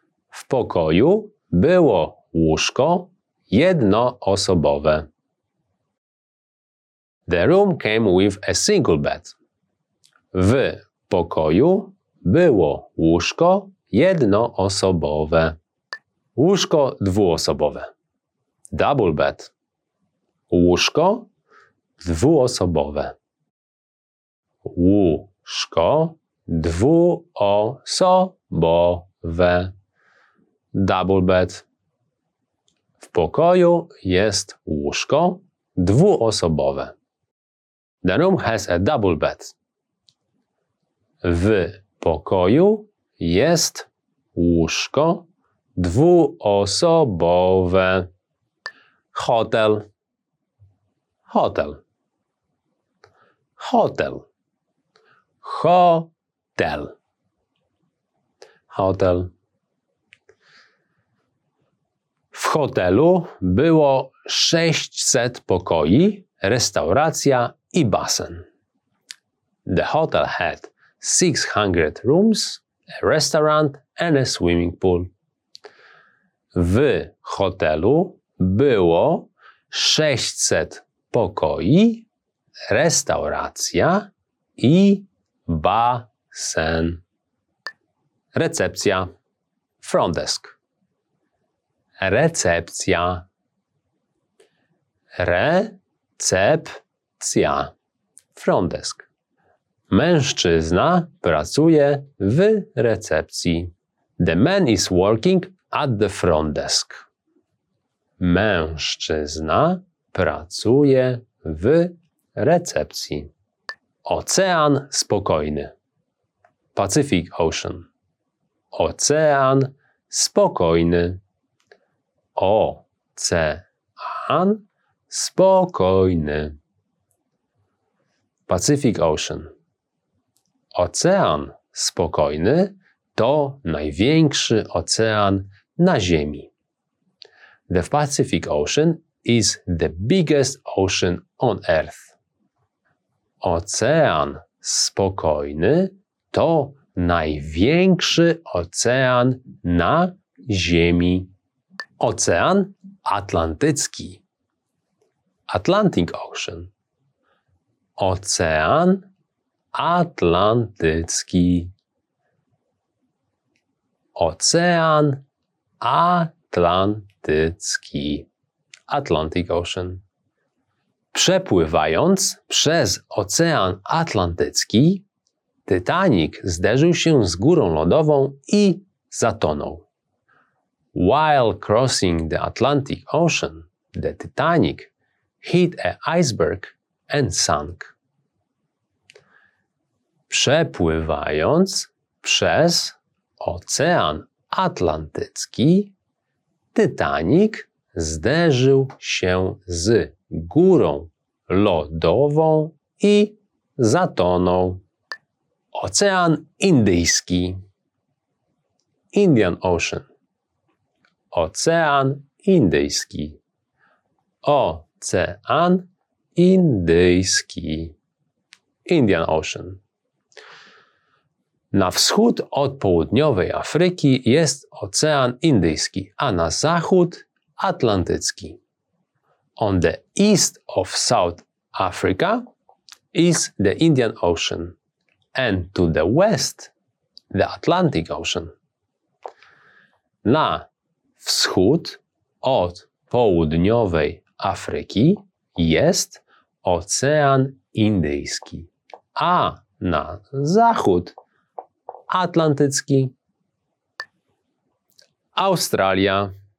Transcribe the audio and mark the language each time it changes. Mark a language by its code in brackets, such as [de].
[pl] W pokoju było łóżko jednoosobowe. [en] The room came with a single bed. [pl] W pokoju było łóżko jednoosobowe. Łóżko dwuosobowe. [en] Double bed. [pl] Łóżko dwuosobowe. Łóżko dwuosobowe. [en] Double bed. [pl] W pokoju jest łóżko dwuosobowe. [en] The room has a double bed. [pl] W pokoju jest łóżko dwuosobowe. Hotel. Hotel. Hotel. Hotel. Hotel. W hotelu było 600 pokoi, restauracja i basen. [en] The hotel had 600 rooms, a restaurant and a swimming pool. [pl] W hotelu było 600 pokoi, restauracja i basen. Recepcja. [en] Front desk. [pl] Recepcja. Recepcja. [en] Front desk. [pl] Mężczyzna pracuje w recepcji. [en] The man is working at the front desk. [pl] Mężczyzna pracuje w recepcji. Ocean spokojny. [en] Pacific Ocean. [pl] Ocean spokojny. Ocean spokojny. [en] Pacific Ocean. [pl] Ocean spokojny to największy ocean na Ziemi. [en] The Pacific Ocean is the biggest ocean on Earth. [pl] Ocean spokojny to największy ocean na Ziemi. Ocean atlantycki. [en] Atlantic Ocean. [pl] Ocean atlantycki. Ocean atlantycki. [en] Atlantic Ocean. [pl] Przepływając przez Ocean Atlantycki, Titanic zderzył się z górą lodową i zatonął. [en] While crossing the Atlantic Ocean, the Titanic hit an iceberg and sank. [pl] Przepływając przez Ocean Atlantycki, Titanic zderzył się z górą lodową i zatonął. Ocean Indyjski. [en] Indian Ocean. [pl] Ocean Indyjski. Ocean Indyjski. [en] Indian Ocean. [pl] Na wschód od południowej Afryki jest Ocean Indyjski, a na zachód Atlantycki. [en] On the east of South Africa is the Indian Ocean, and to the west the Atlantic Ocean. [pl] Na wschód od południowej Afryki jest Ocean Indyjski, a na zachód Atlantycki. Australia.